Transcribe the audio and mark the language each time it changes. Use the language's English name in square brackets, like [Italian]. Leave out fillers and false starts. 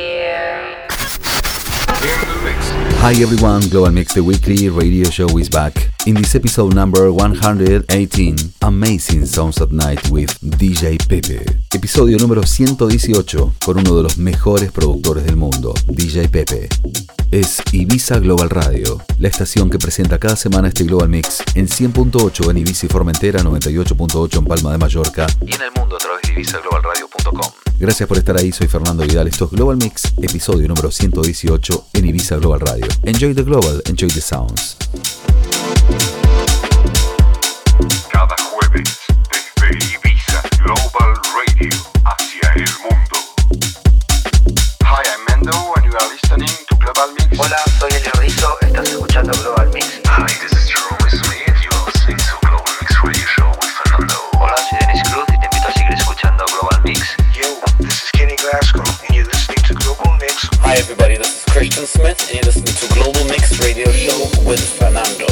[English] Hi everyone, Global Mix, the weekly radio show, is back. In this episode number 118, Amazing Sounds at Night with DJ Pepe. [Spanish] Episodio número 118 con uno de los mejores productores del mundo, DJ Pepe. Es Ibiza Global Radio, la estación que presenta cada semana este Global Mix en 100.8 en Ibiza y Formentera, 98.8 en Palma de Mallorca y en el mundo a través de ibizaglobalradio.com. Gracias por estar ahí, soy Fernando Vidal, esto es Global Mix, episodio número 118 en Ibiza Global Radio. [English] Enjoy the Global, enjoy the sounds. [Spanish] Cada jueves desde Ibiza Global Radio hacia el mundo. [English] Hi, I'm Mando and you are listening to Global Mix. [Spanish] Hola, soy El Erizo, estás escuchando Global Mix. [English] Hi, this is Jerome Smith, you are listening to Global Mix Radio Show with Fernando. [Spanish] Hola, soy Dennis Cruz y te invito a seguir escuchando Global Mix. [English] Yo, this is Kenny Glasgow and you're listening to Global Mix. Hi everybody, this is Christian Smith and you're listening to Global Mix Radio Show with Fernando.